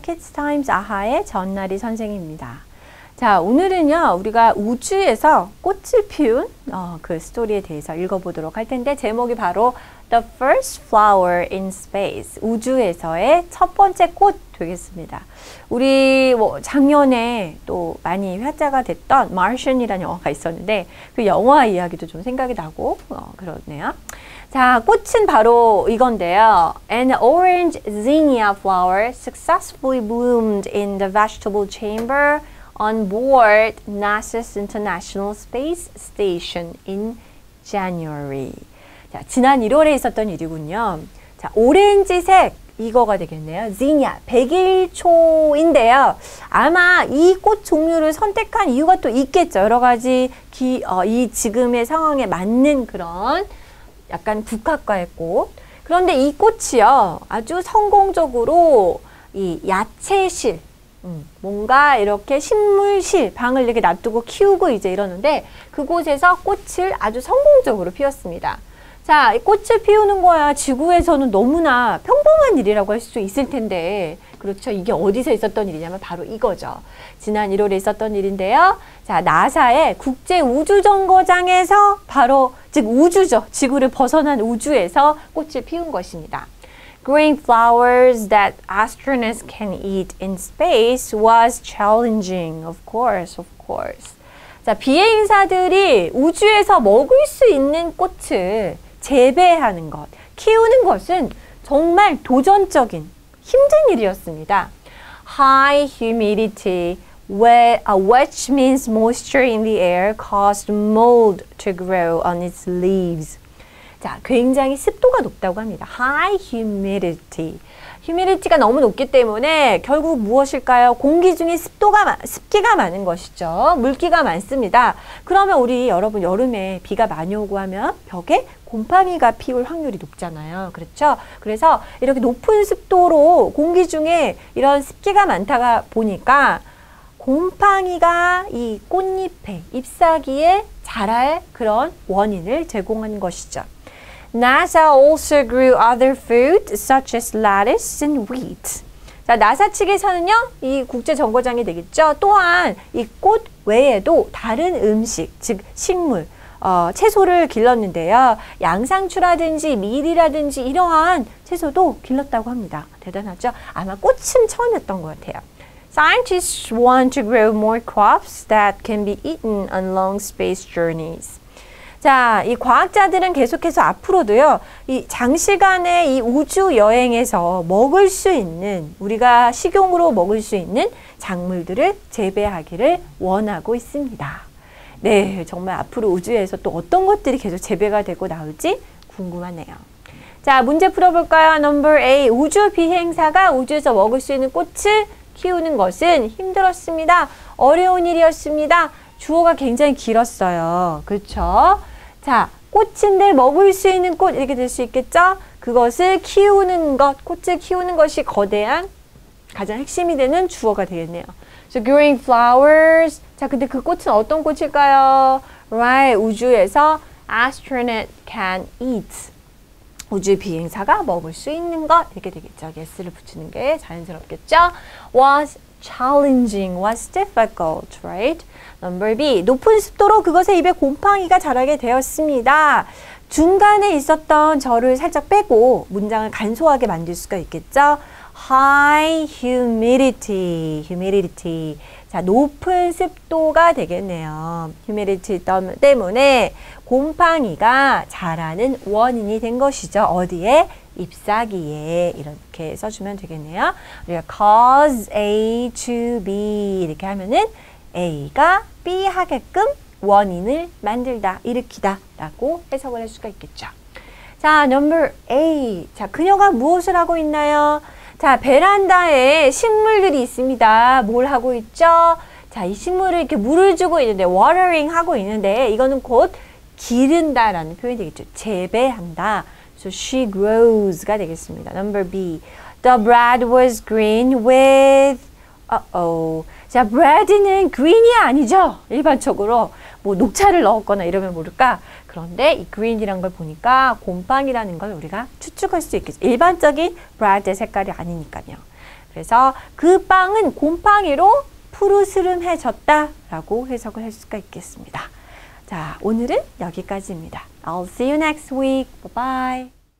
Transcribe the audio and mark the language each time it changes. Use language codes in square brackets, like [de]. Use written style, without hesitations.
[ko] Kids Times 아하의 전나리 선생입니다. 자, 오늘은요, 우리가 우주에서 꽃을 피운 그 스토리에 대해서 읽어보도록 할 텐데, 제목이 바로 [en] The First Flower in Space. [ko] 우주에서의 첫 번째 꽃 되겠습니다. 우리 뭐 작년에 또 많이 회자가 됐던 Martian이라는 영화가 있었는데, 그 영화 이야기도 좀 생각이 나고, 그렇네요. 자, 꽃은 바로 이건데요. [en] An orange zinnia flower successfully bloomed in the vegetable chamber on board NASA's International Space Station in January. [ko] 자, 지난 1월에 있었던 일이군요. 자, 오렌지색 이거가 되겠네요. 지니아, 백일초인데요. 아마 이 꽃 종류를 선택한 이유가 또 있겠죠. 여러 가지 이 지금의 상황에 맞는 그런 약간 국화과의 꽃. 그런데 이 꽃이요, 아주 성공적으로 이 야채실, 뭔가 이렇게 식물실 방을 이렇게 놔두고 키우고 이제 이러는데, 그곳에서 꽃을 아주 성공적으로 피웠습니다. 자, 이 꽃을 피우는 거야 지구에서는 너무나 평범한 일이라고 할 수 있을 텐데, 그렇죠. 이게 어디서 있었던 일이냐면 바로 이거죠. 지난 1월에 있었던 일인데요. 자, 나사의 국제우주정거장에서 바로, 즉 우주죠. 지구를 벗어난 우주에서 꽃을 피운 것입니다. [en] Growing flowers that astronauts can eat in space was challenging, of course, of course. [ko] 자, 비행사들이 우주에서 먹을 수 있는 꽃을 재배하는 것, 키우는 것은 정말 도전적인, 힘든 일이었습니다. [en] High humidity, which means moisture in the air, caused mold to grow on its leaves. [ko] 자, 굉장히 습도가 높다고 합니다. [en] High humidity. [ko] Humidity가 너무 높기 때문에 결국 무엇일까요? 공기 중에 습기가 많은 것이죠. 물기가 많습니다. 그러면 우리 여러분 여름에 비가 많이 오고 하면 벽에 곰팡이가 피울 확률이 높잖아요. 그렇죠? 그래서 이렇게 높은 습도로 공기 중에 이런 습기가 많다가 보니까 곰팡이가 이 꽃잎에, 잎사귀에 자랄 그런 원인을 제공한 것이죠. [en] NASA also grew other food such as lettuce and wheat. [ko] 자, NASA 측에서는요, 이 국제 정거장이 되겠죠. 또한 이 꽃 외에도 다른 음식, 즉 식물, 채소를 길렀는데요. 양상추라든지 밀이라든지 이러한 채소도 길렀다고 합니다. 대단하죠? 아마 꽃은 처음이었던 것 같아요. [en] Scientists want to grow more crops that can be eaten on long space journeys. [ko] 자, 이 과학자들은 계속해서 앞으로도요, 이 장시간의 이 우주 여행에서 먹을 수 있는, 우리가 식용으로 먹을 수 있는 작물들을 재배하기를 원하고 있습니다. 네, 정말 앞으로 우주에서 또 어떤 것들이 계속 재배가 되고 나올지 궁금하네요. 자, 문제 풀어볼까요? [en] Number A. [ko] 우주 비행사가 우주에서 먹을 수 있는 꽃을 키우는 것은 힘들었습니다. 어려운 일이었습니다. 주어가 굉장히 길었어요. 그렇죠? 자, 꽃인데 먹을 수 있는 꽃 이렇게 될 수 있겠죠? 그것을 키우는 것, 꽃을 키우는 것이 거대한 가장 핵심이 되는 주어가 되겠네요. [en] So growing flowers. [ko] 자, 근데 그 꽃은 어떤 꽃일까요? [en] Right, [ko] 우주에서 [en] astronaut can eat. [ko] 우주 비행사가 먹을 수 있는 것 이렇게 되겠죠. Yes를 붙이는 게 자연스럽겠죠? [en] Was challenging, was difficult, right? Number B. [ko] 높은 습도로 그것의 입에 곰팡이가 자라게 되었습니다. 중간에 있었던 저를 살짝 빼고 문장을 간소하게 만들 수가 있겠죠? [en] High humidity, humidity. [ko] 자, 높은 습도가 되겠네요. Humidity 때문에 곰팡이가 자라는 원인이 된 것이죠. 어디에? 잎사귀에. 이렇게 써주면 되겠네요. 우리가 [en] cause A to B [ko] 이렇게 하면은 A가 B 하게끔 원인을 만들다, 일으키다 라고 해석을 할 수가 있겠죠. [en] 자, number A. [ko] 자, 그녀가 무엇을 하고 있나요? 자, 베란다에 식물들이 있습니다. 뭘 하고 있죠? 자, 이 식물을 이렇게 물을 주고 있는데, watering 하고 있는데, 이거는 곧 기른다 라는 표현이 되겠죠. 재배한다. [en] So she grows [ko] 가 되겠습니다. [en] Number B. The bread was green with, 자, bread 는 green [ko] 이 아니죠. 일반적으로. 뭐 녹차를 넣었거나 이러면 모를까? 그런데 이 green이라는 걸 보니까 곰팡이라는 걸 우리가 추측할 수 있겠죠. 일반적인 bread의 색깔이 아니니까요. 그래서 그 빵은 곰팡이로 푸르스름해졌다라고 해석을 할 수가 있겠습니다. 자, 오늘은 여기까지입니다. [en] I'll see you next week. Bye bye.